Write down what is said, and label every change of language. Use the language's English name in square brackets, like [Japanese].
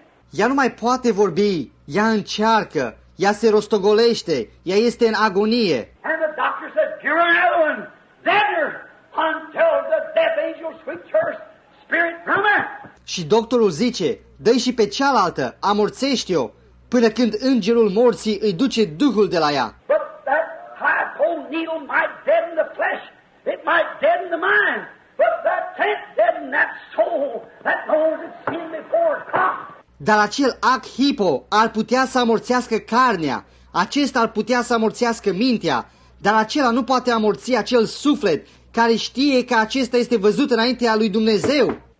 [Romanian] Ea nu mai poate vorbi, ea încearcă, ea se rostogolește, ea este în agonie. [English] And the doctor said, give her another one, then her, until the death angel sweeps her spirit from her. [Romanian] Și doctorul zice, dă-i și pe cealaltă, amorțește-o, până când îngerul morții îi duce duhul de la ea. [English] But that high-pole needle might deaden the flesh, it might deaden the mind, but that can't deaden that soul that knows its sin before it comes. [Romanian] Dar acel ac hipo ar putea să amorțească carnea, acesta ar putea să amorțească mintea, dar acela nu poate amorți acel suflet care știe că acesta este văzut înaintea lui Dumnezeu.